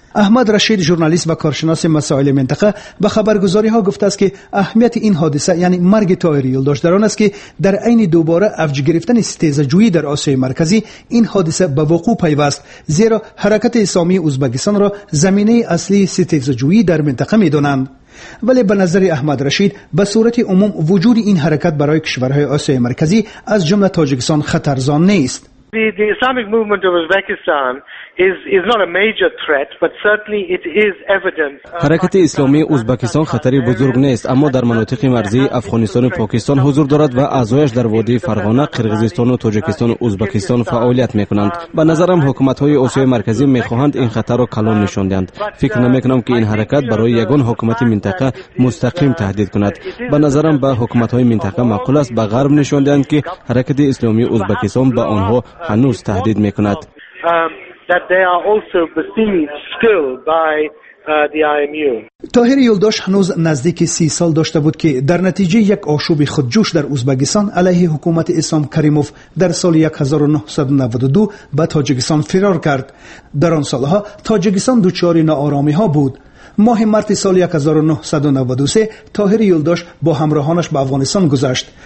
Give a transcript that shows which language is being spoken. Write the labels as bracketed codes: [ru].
[fa] احمد رشید، ژورنالیست و کارشناس مسائل منطقه، به خبرگزاری ها گفته است که اهمیت این حادثه، یعنی مرگ طاهر یلداش، در آن است که در عین دوباره اوج گرفتن ستیزه‌جویی در آسیای مرکزی این حادثه به وقوع پیوست، زیرا حرکت اسلامی ازبکستان را زمینه اصلی ستیزه‌جویی در منطقه می دانند. ولی به نظر احمد رشید، به صورت عموم وجود این حرکت برای کشورهای آسیای مرکزی از جمله تاجیکستان خطرزا نیست. [en] The Islamic movement of Uzbekistan is not a major threat, but certainly it is evident. [fa] حرکت اسلامی ازبکستان خطری بزرگ نیست، اما در مناطق مرزی افغانستان و پاکستان حضور دارد و اعضایش در وادی فرغانه، قرغیزستان و تاجیکستان و ازبکستان فعالیت میکنند. به نظرم حکومت های آسیای مرکزی میخواهند این خطر را کلان نشان دهند. فکر نمیکنم که این حرکت برای یگان حکومت منطقه مستقیم تهدید کند. به نظرم به حکومت های منطقه معقول است به غرب نشان دهند که حرکت اسلامی ازبکستان به آنها هنوز تهدید میکند. [en] That they are also besieged still by the IMU. [fa] طاهر یلداش هنوز نزدیک 30 سال داشته بود که در نتیجه یک آشوب خودجوش در ازبکستان علیه حکومت اسلام کریموف در سال 1992 به تاجیکستان فرار کرد. در آن سالها تاجیکستان دچار ناآرامی ها بود. ماه مارس سال 1993 طاهر یلداش با همراهانش به افغانستان گذشت.